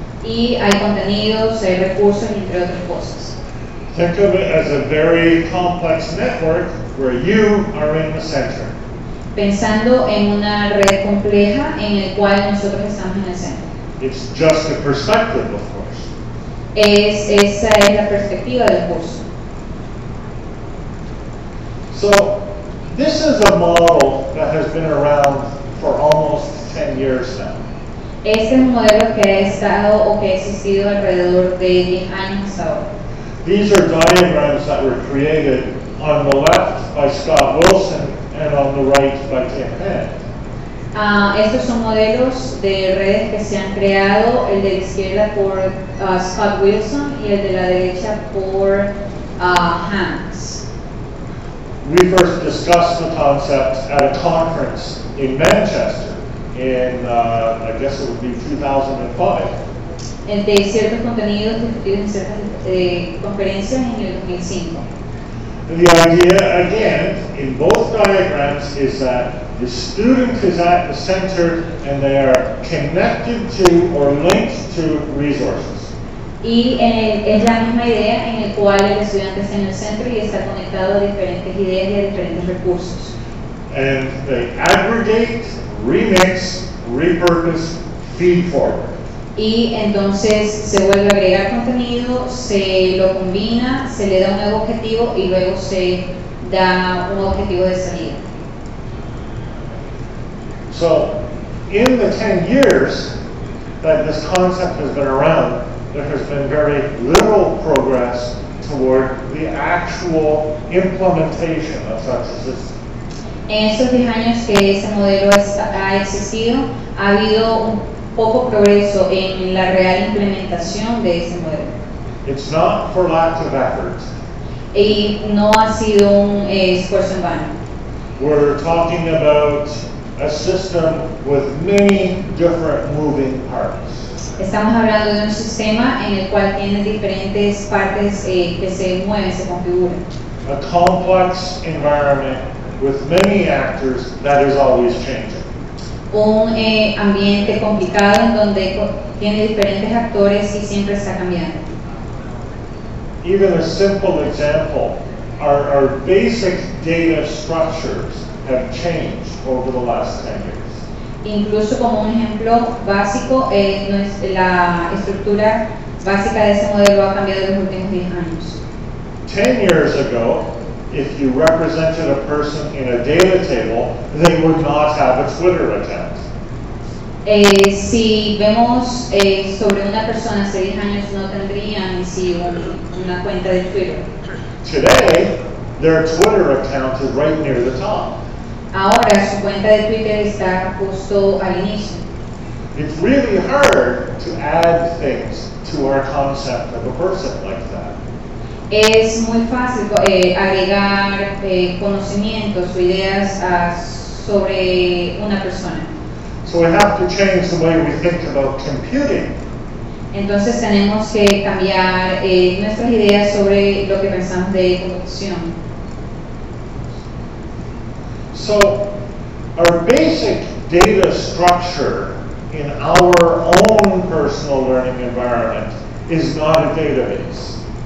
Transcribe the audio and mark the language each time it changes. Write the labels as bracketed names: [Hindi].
[Spanish] Y hay contenidos, hay recursos, entre otras cosas. [English] Think of it as a very complex network where you are in the center. [Spanish] Pensando en una red compleja en el cual nosotros estamos en el centro. [English] It's just a perspective, of course. [Spanish] Esa es la perspectiva del curso. [English] So, this is a model that has been around for almost 10 years now. [Spanish] Este es un modelo que ha estado o que ha existido alrededor de 10 años ahora. [English] These are diagrams that were created on the left by Scott Wilson and on the right by Tim Head. [Spanish] Estos son modelos de redes que se han creado, el de la izquierda por Scott Wilson y el de la derecha por Hans. [English] We first discussed the concept at a conference in Manchester in, I guess it would be 2005. [Spanish] De ciertos contenidos discutidos en ciertas conferencias en el 2005. [English] The idea, again, in both diagrams is that the student is at the center and they are connected to or linked to resources. [Spanish] Y es la misma idea en el cual el estudiante está en el centro y está conectado a diferentes ideas y a diferentes recursos. [English] And they aggregate, remix, repurpose, feed forward. [Spanish] Y entonces se vuelve a agregar contenido, se lo combina, se le da un nuevo objetivo y luego se da un objetivo de salida. [English] So, in the 10 years that this concept has been around, there has been very little progress toward the actual implementation of such a system. [Spanish] En estos 10 años que ese modelo ha existido, ha habido un poco progreso en la real implementación de ese modelo. [English] It's not for lack of effort. [Spanish] Y no ha sido un esfuerzo en vano. [English] We're talking about a system with many different moving parts. [Spanish] Estamos hablando de un sistema en el cual tiene diferentes partes que se mueven, se configuran. [English] A complex environment with many actors that is always changing. [Spanish] Un ambiente complicado en donde tiene diferentes actores y siempre está cambiando. [English] Even a simple example, our basic data structures have changed over the last 10 years. [Spanish] Incluso como un ejemplo básico, la estructura básica de ese modelo ha cambiado en los últimos 10 años. [English] 10 years ago, if you represented a person in a data table, they would not have a Twitter account. [Spanish] Si vemos sobre una persona hace 10 años, no tendrían una cuenta de Twitter. [English] Today, their Twitter account is right near the top. [Spanish] Ahora, su cuenta de Twitter está justo al inicio. [English] It's really hard to add things to our concept of a person like that. [Spanish] Es muy fácil agregar conocimientos o ideas sobre una persona. [English] So we have to change the way we think about computing. [Spanish] Entonces tenemos que cambiar nuestras ideas sobre lo que pensamos de computación. [English] So our basic data structure in our own personal learning environment is not a database.